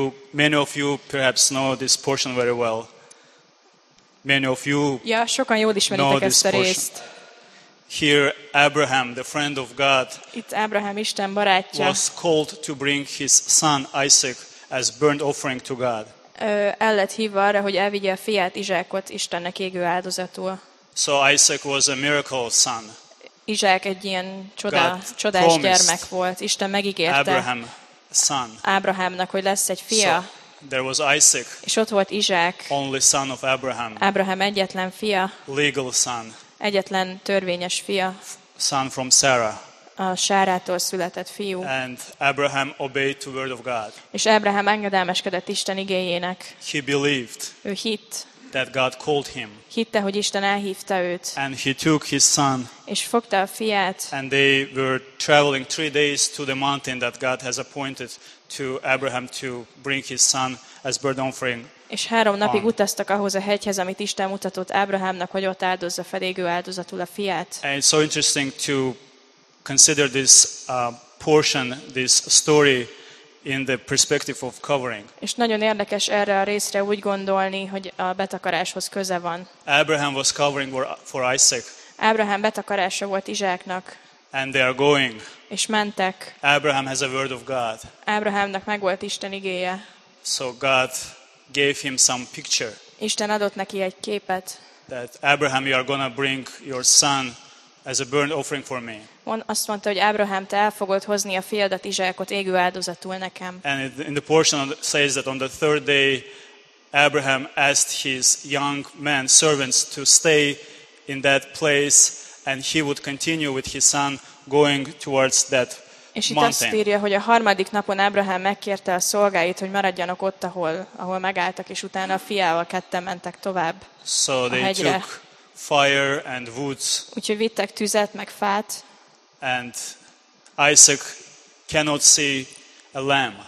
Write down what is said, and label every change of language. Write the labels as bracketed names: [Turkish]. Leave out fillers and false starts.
[English] Many of you perhaps know this portion very well. Many of you. [Hungarian] Ja, sokan jól ismeritek ezt a részt. [English] Here Abraham, the friend of God. [Hungarian] Itt Abraham, Isten barátja. [English] Was called to bring his son Isaac as burnt offering to God. [Hungarian] El lett hívva arra, hogy elvigye a fiát, Izsákot, Istennek égő áldozatul. [English] So Isaac was a miracle son. [Hungarian] Izsák egy ilyen csodás gyermek volt. Isten megígérte [English] Abraham son. [Hungarian] Abrahamnak, hogy lesz egy fia. [English] So there was Isaac. [Hungarian] És ott volt Izsák. [English] Only son of Abraham. [Hungarian] Abraham egyetlen fia. [English] Legal son. [Hungarian] Egyetlen törvényes fia. [English] Son from Sarah. [Hungarian] Sárától született fiú. [English] And Abraham obeyed the word of God. [Hungarian] És Abraham engedelmeskedett Isten igéjének. [English] He believed. [Hungarian] Ő hitt. [English] That God called him. [Hungarian] Hitte, hogy Isten elhívta őt. [English] And he took his son. [Hungarian] És fogta a fiát. [English] And they were traveling 3 days to the mountain that God has appointed to Abraham to bring his son as burnt offering. [Hungarian] És 3 napig utaztak ahhoz a hegyhez, amit Isten mutatott Ábrahámnak, hogy ott áldozza felégő áldozatul a fiát. [English] And it's so interesting to consider this portion, this story in the perspective of covering. [Hungarian] És nagyon érdekes erre a részre úgy gondolni, hogy a betakaráshoz köze van. [English] Abraham was covering for Isaac. [Hungarian] Ábrahám betakarása volt Izsáknak. [English] And they are going. [Hungarian] És mentek. [English] Abraham has a word of God. [Hungarian] Ábrahámnak megvolt Isten igéje. [English] So God gave him some picture. [Hungarian] Isten adott neki egy képet. [English] That Abraham, you are gonna bring your son as a burnt offering for me. [Hungarian] Azt mondta, hogy Ábrahám, te el fogod hozni a fiadat, Izsákot égő áldozatul nekem. [English] And in the portion says that on the third day, Abraham asked his young men servants to stay in that place, and he would continue with his son going towards that. [Hungarian] És itt azt írja, hogy a 3. napon Ábrahám megkérte a szolgáit, hogy maradjanak ott, ahol megálltak, és utána a fiával ketten mentek tovább. [English] So they took fire and woods. [Hungarian] Úgyhogy vittek tüzet meg fát. [English] And Isaac cannot see a lamb.